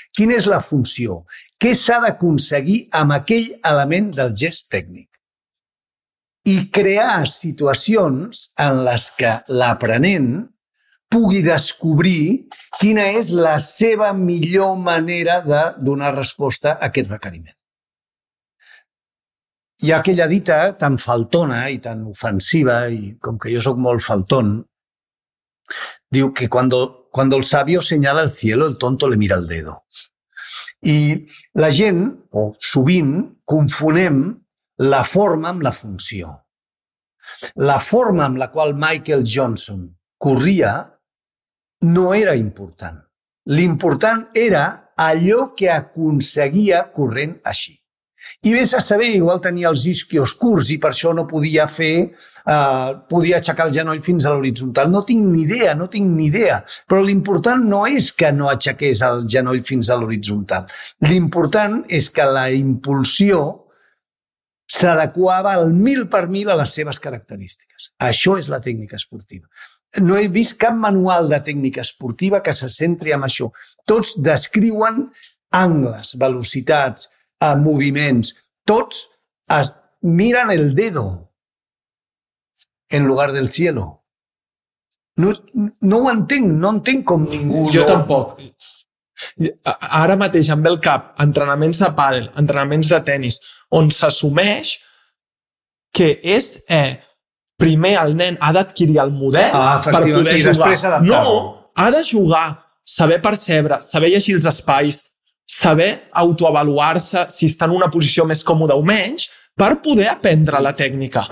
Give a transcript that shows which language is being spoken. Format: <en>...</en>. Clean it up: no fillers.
<ca>Quina és la funció? Què s'ha d'aconseguir amb aquell element del gest tècnic? I crear situacions en les que l'aprenent pugui descobrir quina és la seva millor manera de donar resposta a aquest requeriment. Hi ha aquella dita tan faltona i tan ofensiva, i com que jo sóc molt faltón, diu que</ca> <es>cuando el sabio señala el cielo, el tonto le mira el dedo.</es> <ca>I la gent, o sovint, confonem la forma amb la funció. La forma amb la qual Michael Johnson corria no era important. L'important era allò que aconseguia corrent així. I vés a saber, igual tenia els isquios curts i per això no podia fer, podia aixecar el genoll fins a l'horitzontal. No tinc ni idea. Però l'important no és que no aixequés el genoll fins a l'horitzontal. L'important és que la impulsió s'adequava al 1000 per 1000 a les seves característiques. Això és la tècnica esportiva. No he vist cap manual de tècnica esportiva que se centri en això. Tots descriuen angles, velocitats, moviments. Tots miren el</ca> <es>dedo en lugar del cielo.</es> <ca>No ho entenc, no entenc com ningú. Jo tampoc. Ara mateix em ve el cap entrenaments de pàdel, entrenaments de tennis, on s'assumeix que és primer el nen ha d'adquirir el model per poder jugar. No, ha de jugar, saber percebre, saber llegir els espais, saber autoavaluar-se si està en una posició més còmoda o menys per poder aprendre la tècnica.</ca>